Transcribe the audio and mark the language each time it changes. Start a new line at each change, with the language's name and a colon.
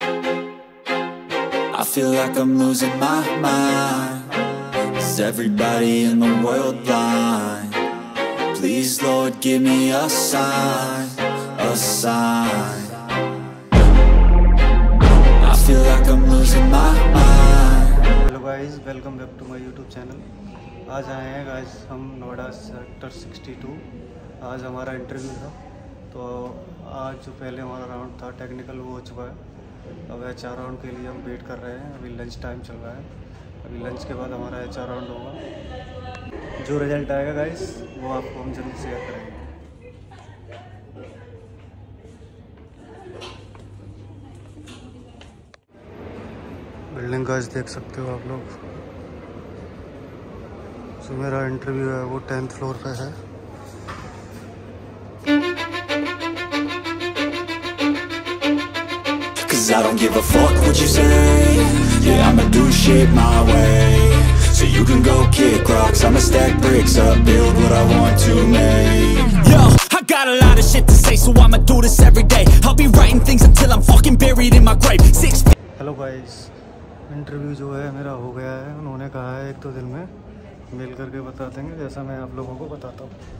English: I feel like I'm losing my mind. Is everybody in the world blind? Please, Lord, give me a sign, a sign. I feel like I'm losing my mind. Hello guys, welcome back to my YouTube channel.
Hindi: आज आए हैं guys हम Noida sector 62. आज हमारा interview था, तो आज जो पहले हमारा राउंड था टेक्निकल वो हो चुका है. अब एचआर राउंड के लिए हम वेट कर रहे हैं. अभी लंच टाइम चल रहा है, अभी लंच के बाद हमारा एचआर राउंड होगा. जो रिजल्ट आएगा गाइस वो आपको हम जल्दी शेयर करेंगे. बिल्डिंग गाइस देख सकते हो आप लोग. तो मेरा इंटरव्यू है वो 10th फ्लोर पे है.
English: Cause I don't give a fuck what you say. Yeah, I'ma do shit my way. So you can go kick rocks, I'ma stack bricks up, build what I want to make. Yo, I got a lot of shit to say, so I'ma do this every day. I'll be writing things until I'm fucking buried in my grave. Hello guys,
Hindi: interview जो है मेरा हो गया है. उन्होंने कहा है एक तो दिन में मिल करके बता देंगे, जैसा मैं आप लोगों को बताता हूँ.